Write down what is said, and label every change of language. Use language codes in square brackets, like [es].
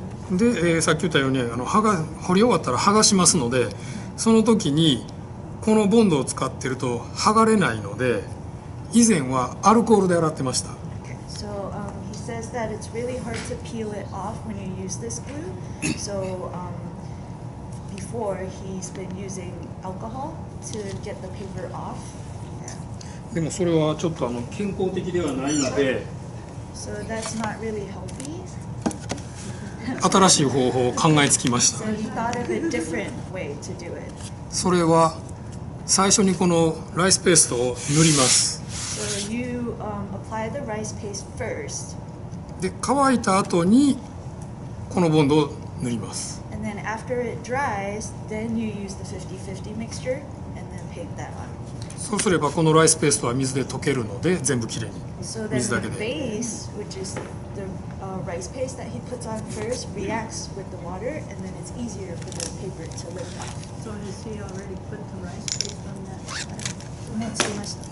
[ja] で、さっき言ったように、彫り終わったら剥がしますので、その時にこのボンドを使っていると剥がれないので、以前はアルコールで洗ってました。 [en] So he says that it's really hard to peel it off when you use this glue. So before he's been using alcohol to get the paper off. [ja] でもそれはちょっと健康的ではないので。 [en] So that's not really healthy. [ja] 新しい方法を考えつきました。 [en] So he thought of a different way to do it. [ja] それは最初にこのライスペーストを塗ります。 [en] So you apply the rice paste first. [ja] で乾いた後にこのボンドを塗ります。 [en] And then after it dries, then you use the 50-50 mixture and then paint that on. [ja] そうすればこのライスペーストは水で溶けるので全部きれいに。 [en] So then the base, which is the rice paste that he puts on first, reacts with the water and then it's easier for the paper to lift off. So has he already put the rice paste on that?